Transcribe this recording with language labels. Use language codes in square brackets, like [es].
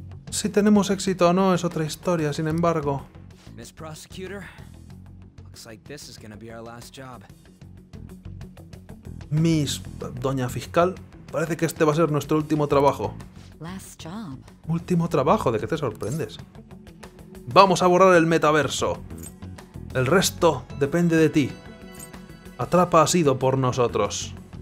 [es] Si tenemos éxito o no es otra historia, sin embargo... [en] Miss Prosecutor, looks like this is gonna be our last job. [es] Miss Doña Fiscal, parece que este va a ser nuestro último trabajo. [en] Last job. [es] Último trabajo, ¿de qué te sorprendes? Vamos a borrar el metaverso. El resto depende de ti. Atrapa ha sido por nosotros.